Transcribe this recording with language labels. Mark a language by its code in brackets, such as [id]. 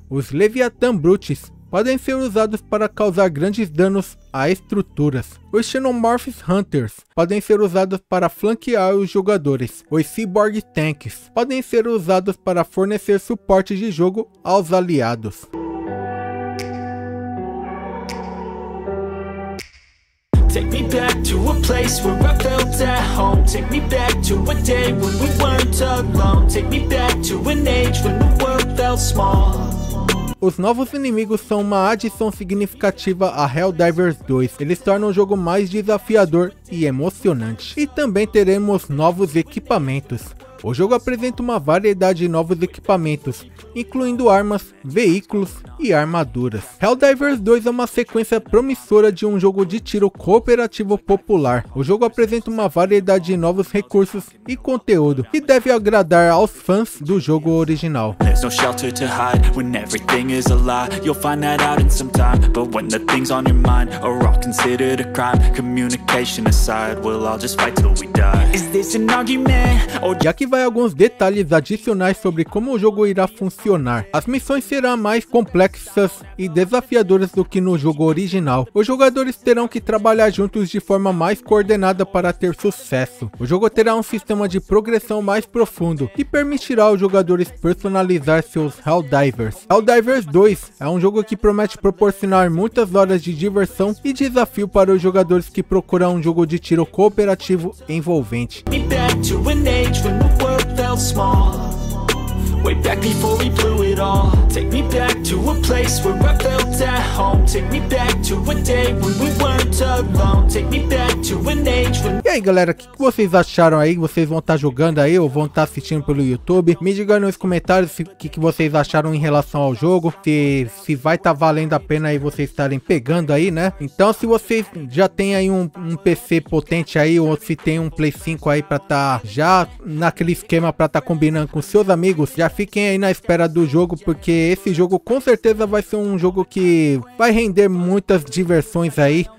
[pt] Os Leviathan Brutes podem ser usados para causar grandes danos a estruturas. Os Xenomorph Hunters podem ser usados para flanquear os jogadores. Os Cyborg Tanks podem ser usados para fornecer suporte de jogo aos aliados. [en] Take me back to a place where I felt at home. Take me back to a day when we weren't alone. Take me back to an age when the world felt small. [pt] Os novos inimigos são uma adição significativa a Helldivers 2. Eles tornam o jogo mais desafiador e emocionante. E também teremos novos equipamentos. O jogo apresenta uma variedade de novos equipamentos, incluindo armas, veículos e armaduras. Helldivers 2 é uma sequência promissora de um jogo de tiro cooperativo popular. O jogo apresenta uma variedade de novos recursos e conteúdo, que deve agradar aos fãs do jogo original. [en] There's no shelter to hide when everything is a lie. You'll find that out in some time, but when the things on your mind are all considered a crime, communication aside, we'll all just fight till we die. Is this an argument? [pt] E aqui vai alguns detalhes adicionais sobre como o jogo irá funcionar. As missões serão mais complexas e desafiadoras do que no jogo original. Os jogadores terão que trabalhar juntos de forma mais coordenada para ter sucesso. O jogo terá um sistema de progressão mais profundo, que permitirá aos jogadores personalizar seus Helldivers. Helldivers 2 é um jogo que promete proporcionar muitas horas de diversão e desafio para os jogadores que procuram um jogo de tiro cooperativo envolvente. [en] Me back to an age when the world felt small. way back before we blew it all. Take me back to a place where I felt at home. Take me back to a day when we weren't alone. Take me back to an age when... [pt] E aí, galera, o que vocês acharam aí? Vocês vão estar jogando aí ou vão estar assistindo pelo YouTube? Me diga aí nos comentários o que vocês acharam em relação ao jogo. Se vai estar valendo a pena aí vocês estarem pegando aí, né? Então, se vocês já tem aí um PC potente aí, ou se tem um Play 5 aí pra estar já naquele esquema pra estar combinando com seus amigos, já fiquem aí na espera do jogo, porque esse jogo com certeza vai ser um jogo que vai render muitas diversões aí.